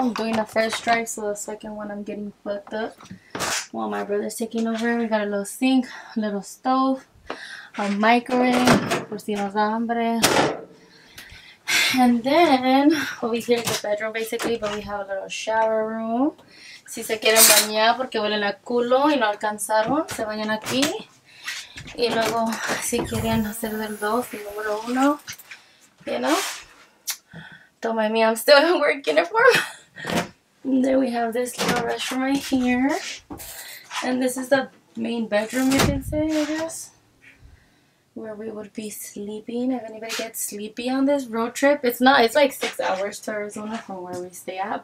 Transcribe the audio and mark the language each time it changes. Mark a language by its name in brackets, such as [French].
[English] I'm doing a first drive, so the second one I'm getting fucked up. While my brother's taking over, we got a little sink, a little stove, a microwave, por si nos da hambre. And then over here is the bedroom, basically, but we have a little shower room. [Spanish] Si se quieren bañar porque huelen a culo y no alcanzaron, se bañan aquí. Y luego si quieren hacer del dos, el número uno. [English] You know, don't mind me, I'm still working it for them. Then we have this little restroom right here. And this is the main bedroom, you can say, I guess. Where we would be sleeping. If anybody gets sleepy on this road trip, it's not, it's like 6 hours to Arizona from where we stay at.